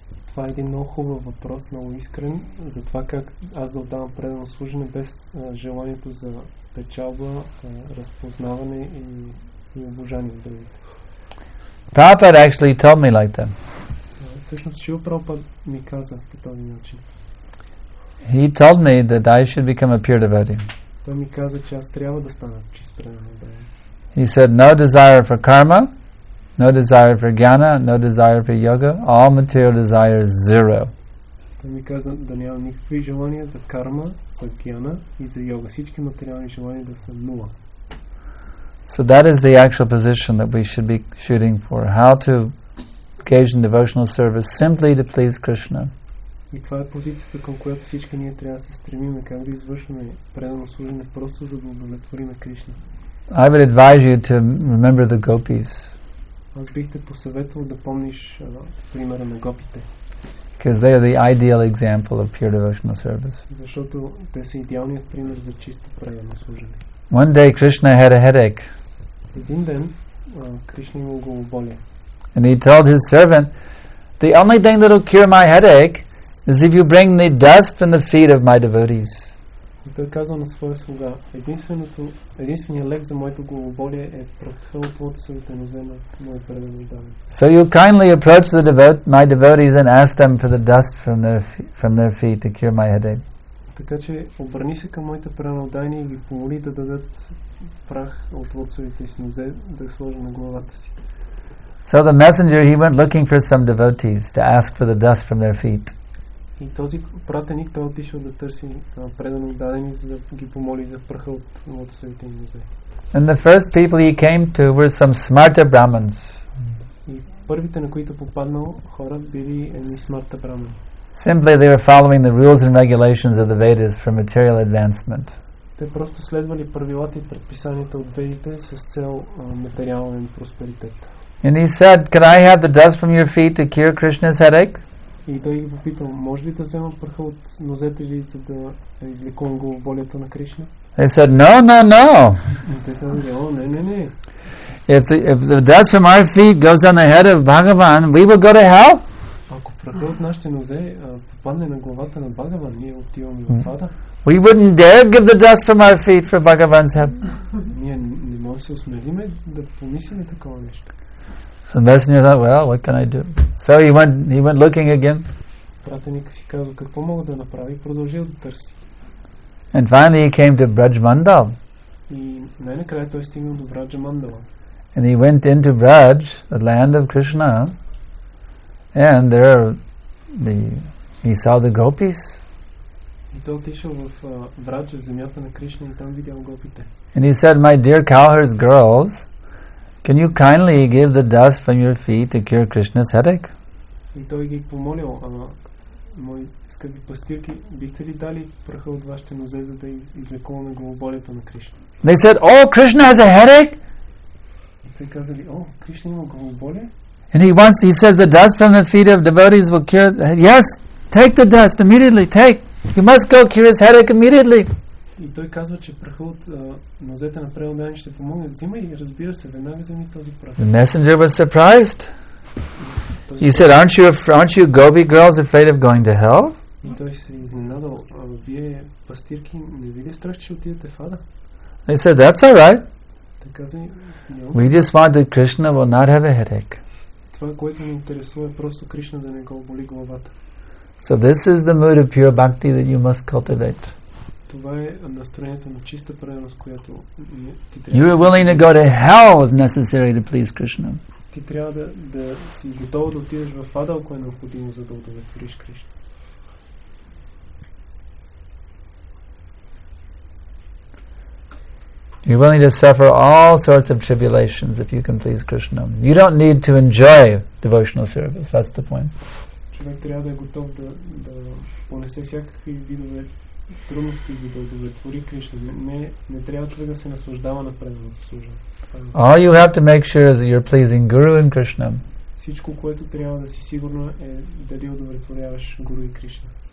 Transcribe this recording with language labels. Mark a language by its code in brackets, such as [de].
[bg] Това е един много хубав въпрос, много искрен, за това как аз да отдавам предано служене без желанието за печалба, разпознаване и обожание от другите. [en] Prabhupada actually told me like that. [bg] Всъщност, Шрила Прабхупада ми каза по този начин. [en] He told me that I should become a pure devotee. [bg] Той ми каза, че аз трябва да стана чист преданник. [en] He said, no desire for karma, no desire for jnana, no desire for yoga, all material desire is zero. [bg] Той ми каза да няма никакви желания за карма, за jnana и за йога. Всички материални желания да са нула. [en] So that is the actual position that we should be shooting for. How to engage in devotional service simply to please Krishna. [bg] И това е позицията, към която всички ние трябва да се стремим, как да извършваме предано служене просто за да удовлетворим Кришна. [en] I would advise you to remember the gopis. [bg] Аз бих те посъветвал да помниш примера на гопите. [en] Because they are the ideal example of pure devotional service. [bg] Защото те са идеалният пример за чисто предано служене. [en] One day Krishna had a headache. [bg] Един ден Кришна имал главоболие. [en] And he told his servant, the only thing that will cure my headache is if you bring the dust from the feet of my devotees. [bg] Той казва на своя слуга, единственият лек за моето главоболие е прахъл от своите нозе на моя предан удар. [en] So you kindly approach the my devotees and ask them for the dust from their feet to cure my headache. [bg] Така че обърни се към моите предан удар и ги помоли да дадат прах от своите нозе да сложи на главата си. [en] So the messenger, he went looking for some devotees to ask for the dust from their feet. [bg] И този пратеник, той отишъл да търси предано отдадени, за да ги помоли за пръха от своите нозе. [en] And the first people he came to were some smarter Brahmins. [bg] Първите, на които попаднал хора, били едни смарта брамани. [en] Simply they were following the rules and regulations of the Vedas for material advancement. [bg] Те просто следвали правилата и предписанията от Ведите с цел материален просперитет. [en] And he said, "Can I have the dust from your feet to cure Krishna's headache?" [bg] И той ги попитал, може ли да взема пръха от нозете ви, за да излекувам главоболието на Кришна? [en] They said, "No, no, no." [bg] Те казали, "О, не, не, не." [en] If the dust from our feet goes on the head of Bhagavan, we will go to hell. [bg] Ако пръхът от нашите нозе попадне на главата на Бхагаван, ние отиваме в ада. [en] We wouldn't dare give the dust from our feet for Bhagavan's head. [bg] Ние не можем да се осмелиме да помислим такова нещо. [en] So Messenger thought, well, what can I do? So he went looking again. [bg] Пратеник си казва, какво мога да направи, продължил да търси. [en] And finally he came to Braj Mandal. [bg] И най-накрая той стигнал до Braj Mandal. [en] And he went into Braj, the land of Krishna, and there he saw the gopis. [bg] И той отишъл в Braj, земята на Кришна, и там видял гопите. [en] And he said, "My dear cowherd's girls, can you kindly give the dust from your feet to cure Krishna's headache?" [bg] И той ги помолил, мои скъпи пастирки, бихте ли дали пръха от вашите нозе, за да излекуваме главоболието на Кришна? [en] They said, "Oh, Krishna has a headache?" [bg] И те казали, "О, Кришна има главоболие?" [en] And he says, "The dust from the feet of devotees will cure it." Yes, take the dust immediately, take. You must go cure his headache immediately. [bg] И той казва, че пръха от нозете на преодолени ще помогне. Взимай и разбира се, веднага вземи този прах. [en] The messenger was surprised. He said, aren't you gopi girls afraid of going to hell? [bg] И той се изненадал, вие пастирки, не ви ли страх, че отидете в ада? [en] They said, that's all right. [bg] Те казали, [en] we just want that Krishna will not have a headache. [bg] Това, което ни интересува, е просто Кришна да не го боли главата. [en] So this is the mood of pure bhakti that you must cultivate. [bg] Това е настроението на чиста преданост, която ти трябва. [en] You are willing to go to hell if necessary to please Krishna. [bg] Ти трябва да си готов да отидеш в ада, ако е необходимо, за да удовлетвориш Кришна. [en] You're willing to suffer all sorts of tribulations if you can please Krishna. You don't need to enjoy devotional service. That's the point. [bg] Човек трябва да е готов да понесе всякакви видове трудности, за да удовлетвори Кришна. Не трябва човек да се наслаждава на преданото служение. [en] All you have to make sure is that you're pleasing Guru and Krishna. [bg] Всичко, което трябва да си сигурно, е дали удовлетворяваш Гуру и Кришна.